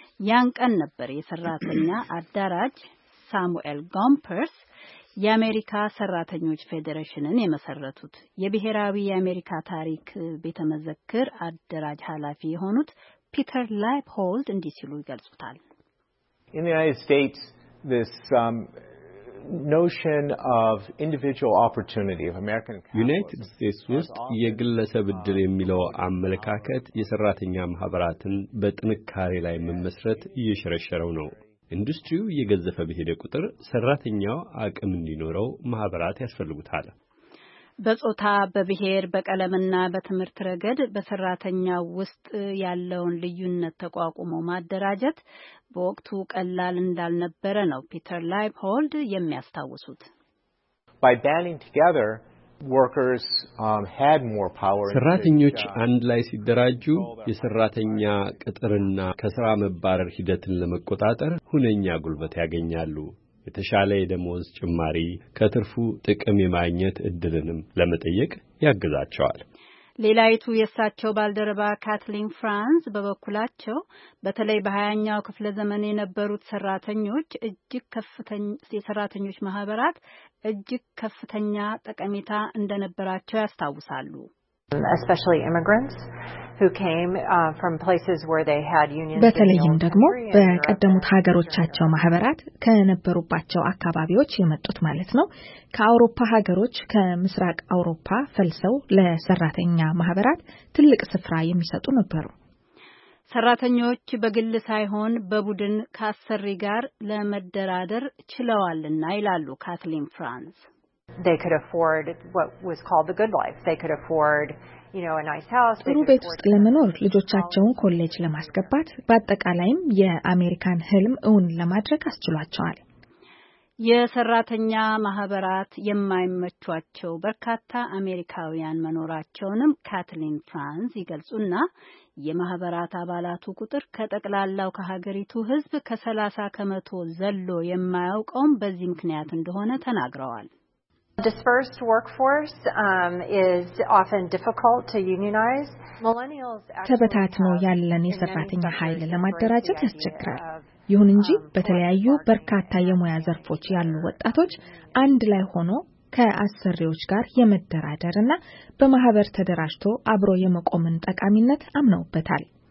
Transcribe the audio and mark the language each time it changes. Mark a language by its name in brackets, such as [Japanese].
[Amharic] ያን ቀን ነበር የሰራተኛ አዳራጅ ሳሙኤል ጎምፐርስ የአሜሪካ ሰራተኞች ፌዴሬሽንን የመሰረቱት። የብሔራዊ የአሜሪካ ታሪክ ቤተመዘክር አዳራጅ ኃላፊ የሆኑት ፒተር ላይፕሆልድ እንዲህ ሲሉ ይገልጹታል። [English] In the United States, this notion of individual opportunity of American [Amharic] United States ውስጥ የግለሰብ እድል የሚለው አመለካከት የሰራተኛ ማህበራትን በጥንካሬ ላይ መመስረት እየሸረሸረው ነው። ኢንዱስትሪው የገዘፈ በሄደ ቁጥር ሰራተኛው አቅም እንዲኖረው ማህበራት ያስፈልጉታል። በጾታ፣ በብሔር፣ በቀለምና በትምህርት ረገድ በሰራተኛው ውስጥ ያለውን ልዩነት ተቋቁሞ ማደራጀት በወቅቱ ቀላል እንዳልነበረ ነው ፒተር ላይፕሆልድ የሚያስታውሱት። [English] By banding together, workers had more power. [Amharic] ሰራተኞች አንድ ላይ ሲደራጁ የሰራተኛ ቅጥርና ከሥራ መባረር ሂደትን ለመቆጣጠር ሁነኛ ጉልበት ያገኛሉ። የተሻለ የደሞዝ ጭማሪ ከትርፉ ጥቅም የማግኘት እድልንም ለመጠየቅ ያግዛቸዋል። ሌላይቱ የሳቸው ባልደረባ ካትሊን ፍራንስ በበኩላቸው በተለይ በ20ኛው ክፍለ ዘመን የነበሩት ሰራተኞች እጅግ ከፍተኛ የሰራተኞች ማህበራት እጅግ ከፍተኛ ጠቀሜታ እንደነበራቸው ያስታውሳሉ። [English] Especially immigrants who came from places where they had unions. [Amharic] በተለይም ደግሞ በቀደሙት ሀገሮቻቸው ማህበራት ከነበሩባቸው አካባቢዎች የመጡት ማለት ነው። ከአውሮፓ ሀገሮች ከምስራቅ አውሮፓ ፈልሰው ለሰራተኛ ማህበራት ትልቅ ስፍራ የሚሰጡ ነበሩ። ሰራተኞች በግል ሳይሆን በቡድን ካሰሪ ጋር ለመደራደር ችለዋልና ይላሉ ካትሊን ፍራንስ። [English] They could afford what was called the good life. They could afford, you know, a nice house. [Amharic] ጥሩ ቤት ውስጥ ለመኖር ልጆቻቸውን ኮሌጅ ለማስገባት በአጠቃላይም የአሜሪካን ህልም እውን ለማድረግ አስችሏቸዋል። የሰራተኛ ማህበራት የማይመቻቸው በርካታ አሜሪካውያን መኖራቸውንም ካትሊን ፍራንስ ይገልጹና የማህበራት አባላቱ ቁጥር ከጠቅላላው ከሀገሪቱ ህዝብ ከ30% ዘሎ የማያውቀውም በዚህ ምክንያት እንደሆነ ተናግረዋል። [English] Dispersed workforce is often difficult to unionize. [Amharic] Millennials ተበታትኖ ያለን የሰራተኛ ኃይል ለማደራጀት ያስቸግራል። ይሁን እንጂ በተለያዩ በርካታ የሙያ ዘርፎች ያሉ ወጣቶች አንድ ላይ ሆኖ ከአሰሪዎች ጋር የመደራደርና በማህበር ተደራጅቶ አብሮ የመቆምን ጠቃሚነት አምነውበታል።